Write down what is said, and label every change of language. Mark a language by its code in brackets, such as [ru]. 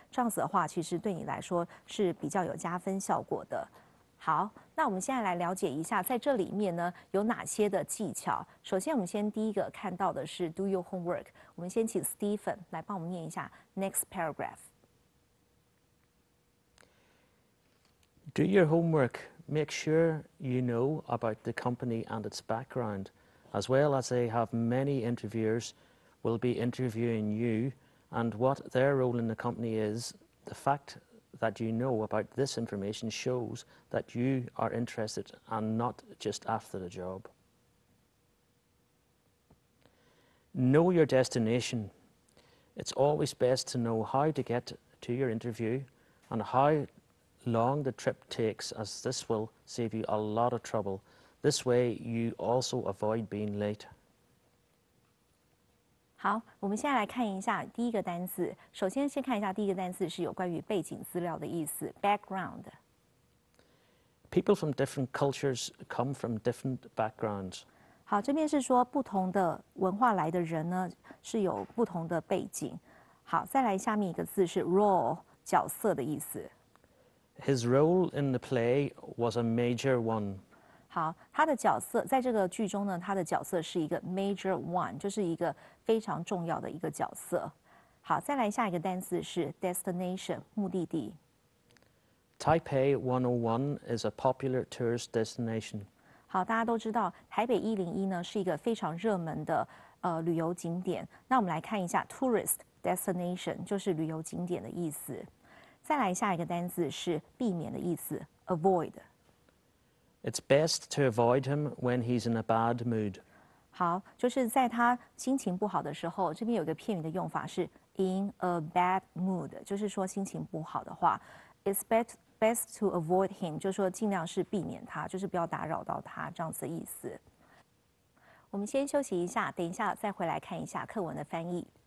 [zh] 这样子的话，其实对你来说是比较有加分效果的。好，那我们现在来了解一下，在这里面呢有哪些的技巧。首先，我们先第一个看到的是 [en] do your homework。 [zh] 我们先请 Stephen 来帮我们念一下 [en] next paragraph。 Do your homework. Make sure you know about the company and its background, as well as they have many interviewers will be interviewing you, and what their role in the company is. The fact. That you know about this information shows that you are interested and not just after the job. Know your destination. It's always best to know how to get to your interview and how long the trip takes, as this will save you a lot of trouble. This way, you also avoid being late. [zh] 好，我们现在来看一下第一个单字。首先，先看一下第一个单字是有关于背景资料的意思 ，background。 [en] People from different cultures come from different backgrounds。 [zh] 好，这边是说不同的文化来的人呢是有不同的背景。好，再来下面一个字是 role 角色的意思。 [en] His role in the play was a major one。 [zh] 好，他的角色在这个剧中呢，他的角色是一个 [en] major one， [zh] 就是一个非常重要的一个角色。好，再来下一个单词是 destination， 目的地。 [en] Taipei 101 is a popular tourist destination。 [zh] 好，大家都知道台北101呢是一个非常热门的旅游景点。那我们来看一下 [en] tourist destination， [zh] 就是旅游景点的意思。再来下一个单词是避免的意思 ，avoid。 [en] It's best to avoid him when he's in a bad mood. [zh] 好，就是在他心情不好的时候，这边有一个片语的用法是 [en] in a bad mood， [zh] 就是说心情不好的话 ， [en] it's best to avoid him， [zh] 就是说尽量是避免他，就是不要打扰到他这样子的意思。我们先休息一下，等一下再回来看一下课文的翻译。